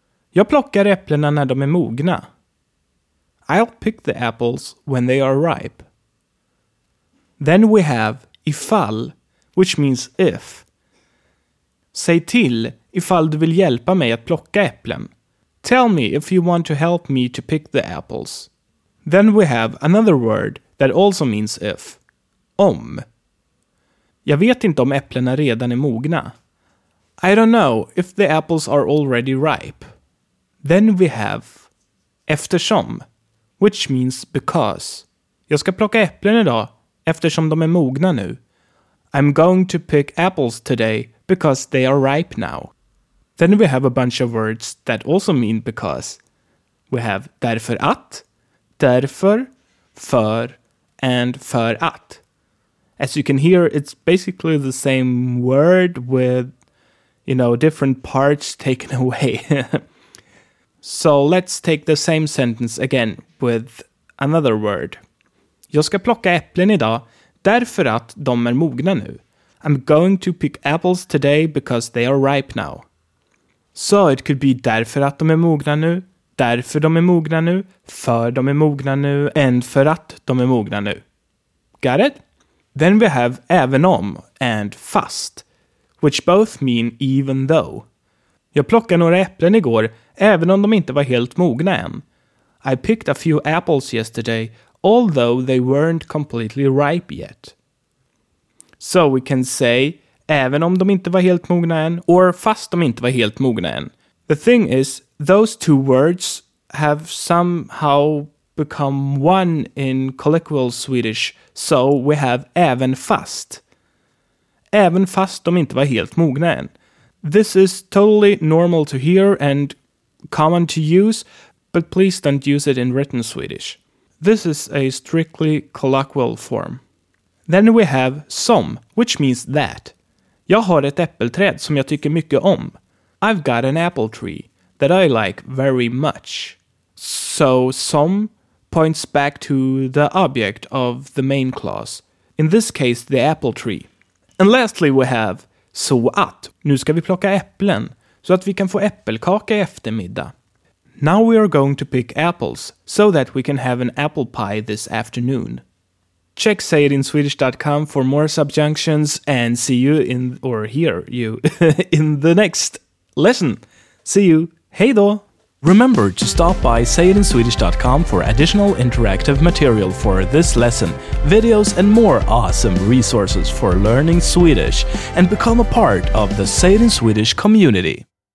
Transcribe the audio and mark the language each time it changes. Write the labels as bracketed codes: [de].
[sv] Jag plockar äpplena när de är mogna. [en] I'll pick the apples when they are ripe. Then we have ifall, which means if. [sv] Säg till ifall du vill hjälpa mig att plocka äpplen. [en] Tell me if you want to help me to pick the apples. Then we have another word that also means if. Om. [sv] Jag vet inte om äpplena redan är mogna. [en] I don't know if the apples are already ripe. Then we have eftersom, which means because. [sv] Jag ska plocka äpplen idag eftersom de är mogna nu. [en] I'm going to pick apples today because they are ripe now. Then we have a bunch of words that also mean because. We have därför att, därför, för, and för att. As you can hear, it's basically the same word with, you know, different parts taken away. So let's take the same sentence again with another word. [sv] Jag ska plocka äpplen idag därför att de är mogna nu. [en] I'm going to pick apples today because they are ripe now. So it could be [sv] därför att de är mogna nu, därför de är mogna nu, för de är mogna nu, [en] and [sv] för att de är mogna nu. [en] Got it? Then we have även om and fast, which both mean even though. [sv] Jag plockade några äpplen igår, även om de inte var helt mogna än. [en] I picked a few apples yesterday, although they weren't completely ripe yet. So we can say, [sv] även om de inte var helt mogna än, [en] or [sv] fast de inte var helt mogna än. [en] The thing is, those two words have somehow become one in colloquial Swedish, so we have även fast. [sv] Även fast de inte var helt mogna än. [en] This is totally normal to hear and common to use, but please don't use it in written Swedish. This is a strictly colloquial form. Then we have som, which means that. [sv] Jag har ett äppelträd som jag tycker mycket om. [en] I've got an apple tree that I like very much. So som points back to the object of the main clause. In this case, the apple tree. And lastly we have så att. [sv] Nu ska vi plocka äpplen så att vi kan få äppelkaka i eftermiddag. [en] Now we are going to pick apples so that we can have an apple pie this afternoon. Check sayitinswedish.com for more subjunctions and see you in or hear you in the next lesson. See you. [sv] Hej då. [en] Remember to stop by sayitinswedish.com for additional interactive material for this lesson, videos and more awesome resources for learning Swedish, and become a part of the Say It in Swedish community.